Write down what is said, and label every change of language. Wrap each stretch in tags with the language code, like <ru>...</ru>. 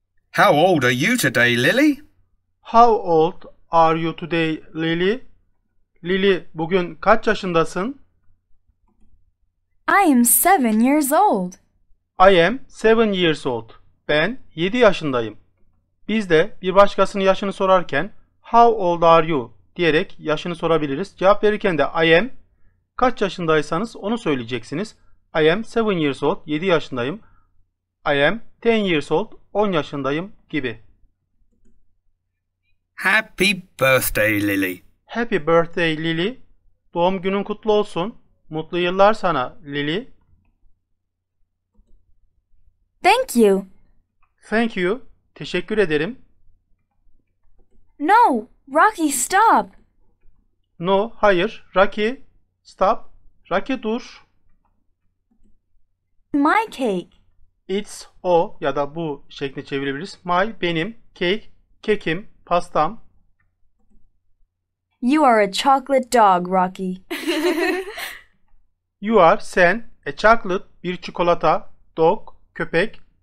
<en>How old are you today, Lily? How old are you today, Lily?</en> <tr>Lily, bugün kaç yaşındasın?</tr> <en>I am 7 years old. I am 7 years old.</en> <tr>Ben 7 yaşındayım. Biz de bir başkasının yaşını sorarken</tr> <en>how old are you</en> <tr>diyerek yaşını sorabiliriz. Cevap verirken de</tr> <en>I am,</en> <tr>kaç yaşındaysanız onu söyleyeceksiniz.</tr> <en>I am 7 years old,</en> <tr>7 yaşındayım.</tr> <en>I am 10 years old,</en> <tr>10 yaşındayım gibi.</tr> <en>Happy birthday Lily. Happy birthday Lily.</en> <tr>Doğum günün kutlu olsun. Mutlu yıllar sana Lily.</tr> <en>Thank you. Thank you.</en> <tr>Teşekkür ederim.</tr> <en>No, Rocky, stop. No,</en> <tr>hayır.</tr> <en>Rocky, stop. Rocky,</en> <tr>dur.</tr> <en>My cake.</en> <tr>It's o ya da bu şekli çevirebiliriz.</tr> <en>My,</en> <tr>benim.</tr> <en>Cake,</en> <tr>kekim, pastam.</tr> <en>You are a chocolate dog, Rocky. You are,</en> <tr>sen,</tr> <en>a chocolate,</en> <tr>bir çikolata,</tr> <en>dog,</en> <tr>köpek.</tr>